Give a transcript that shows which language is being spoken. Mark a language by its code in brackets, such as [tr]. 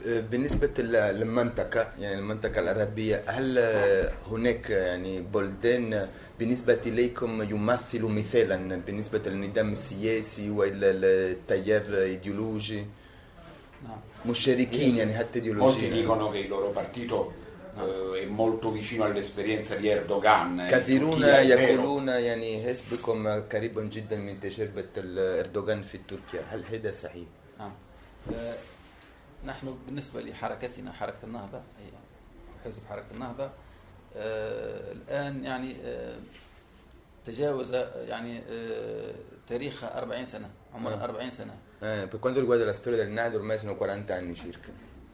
[ar] بالنسبة للمنطقة يعني المنطقة العربية هل هناك يعني بلدان بالنسبة إليكم يمثلوا مثلا بالنسبة للنظام السياسي والتيار الإيديولوجي؟ مشاركين يعني حتى ديولوجيا. [it] molti dicono che il loro partito è molto vicino all'esperienza di Erdogan. [ar] كثيرون يقولون يعني حزبكم قريب جدا من تجربة الأردوغان في تركيا. هل هذا صحيح؟ نحن بالنسبة لحركتنا حركة النهضة حزب حركة النهضة الآن يعني تجاوز يعني تاريخها 40 سنة عمرها 40 سنة. [it] Per quanto riguarda la storia del Nahda ormai sono 40 anni circa.